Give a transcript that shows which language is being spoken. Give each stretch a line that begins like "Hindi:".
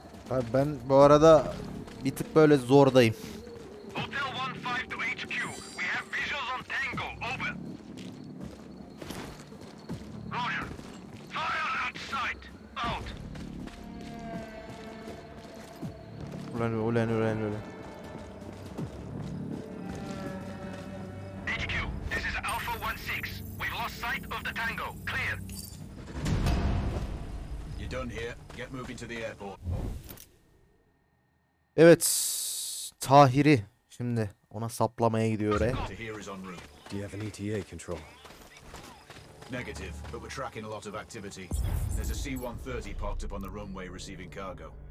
Turkish: Abi ben bu arada bir tık böyle zordayım.
English: Hotel 15 to HQ. We have visuals on Tango. Over. Roger. Fire at sight. Out.
Turkish: Ulan ulan ulan ulan.
English: HQ, this is Alpha 16. We've lost sight of the Tango. Clear. You're done here. Get moving to the airport.
Turkish: Evet, Tahir'i şimdi ona saplamaya gidiyor.
English: Tahir is on route. Do you have an ETA control? Negative, but we're tracking a lot of activity. There's a C-130 parked up on the runway receiving cargo.